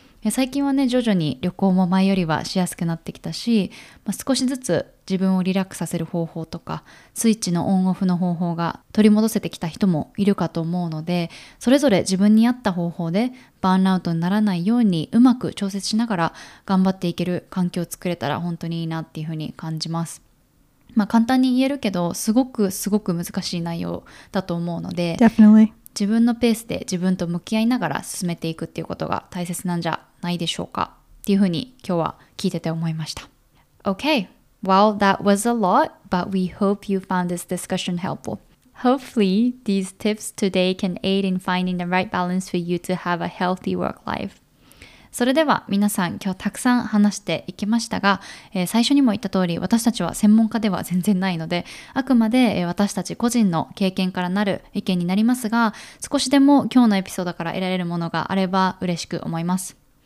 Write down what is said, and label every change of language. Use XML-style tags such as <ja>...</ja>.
<ja>最近はね徐々に旅行も前よりはしやすくなってきたし、まあ、少しずつ自分をリラックスさせる方法とかスイッチのオンオフの方法が取り戻せてきた人もいるかと思うので、それぞれ自分に合った方法でバーンアウトにならないようにうまく調節しながら頑張っていける環境を作れたら本当にいいなっていうふうに感じます。まあ、簡単に言えるけどすごくすごく難しい内容だと思うので、</ja> <en>Definitely.</en> <ja>自分のペースで自分と向き合いながら進めていくっていうことが大切なんじゃないでしょうかっていうふうに今日は聞いてて思いました。</ja> <en>Okay, well that was a lot, but we hope you found this discussion helpful. Hopefully these tips today can aid in finding the right balance for you to have a healthy work life.</en> <ja>それでは皆さん今日たくさん話していきましたが、最初にも言った通り私たちは専門家では全然ないので、あくまで私たち個人の経験からなる意見になりますが、少しでも今日のエピソードから得られるものがあれば嬉しく思います。</ja>